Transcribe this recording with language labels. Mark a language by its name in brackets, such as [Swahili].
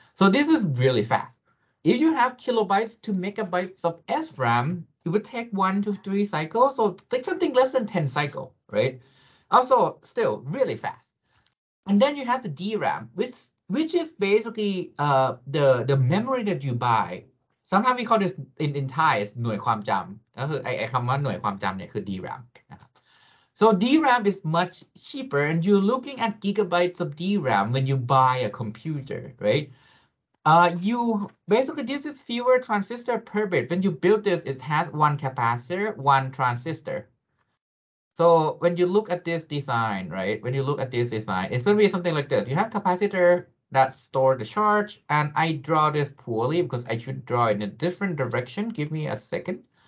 [English] So this is really fast. If you have kilobytes to megabytes of SRAM, it would take 1 to 3 cycles, so take something less than 10 cycles, right? Also, still really fast. And then you have the DRAM, which is basically the memory that you buy. Sometimes we call this in Thai, it's หน่วย ความ จำ. [Thai] ไอ้ คำ ว่า หน่วย ความ จำ เนี่ย คือ DRAM. [English] So DRAM is much cheaper, and you're looking at gigabytes of DRAM when you buy a computer, right? You basically, this is fewer transistor per bit. When you build this, it has one capacitor, one transistor. So when you look at this design, right? When you look at this design, it's going to be something like this. You have capacitor that store the charge, and I draw this poorly because I should draw in a different direction. Give me a second.